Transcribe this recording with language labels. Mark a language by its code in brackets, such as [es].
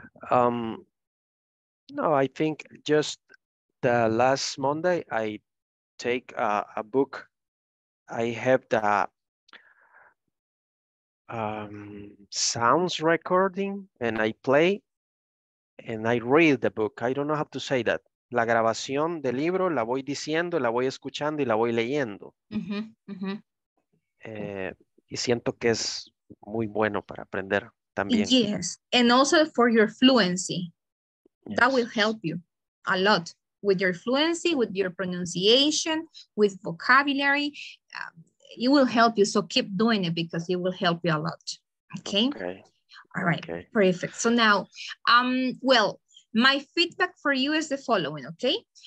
[en] No, I think just the last Monday, I take a book. I have the sounds recording and I play and I read the book. I don't know how to say that. [es] La grabación del libro la voy diciendo, la voy escuchando y la voy leyendo. Mm-hmm. Y siento que es muy bueno para aprender también. [en] Yes, and also for your fluency. Yes. That will help you a lot with your fluency, with your pronunciation, with vocabulary. It will help you, so keep doing it because it will help you a lot. Okay? Okay. All right, okay. Perfect. So now, my feedback for you is the following, okay?